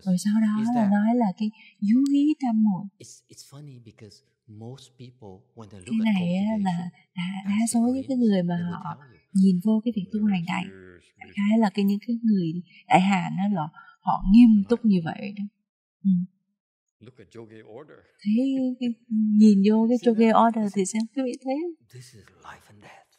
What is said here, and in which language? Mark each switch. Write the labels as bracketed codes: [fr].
[vi] Rồi sau đó là nói là cái du hí tam muội. [en] It's funny because most people when they look at cultivation, [vi] đa số những cái người mà họ nhìn vô cái việc tu hành này, đại khái là cái những cái người đại hàn đó là họ nghiêm túc như vậy đó. [en] Look at Joge order. [vi] Nhìn vô cái Joge order thì xem quý vị thấy. [en] This is life and death.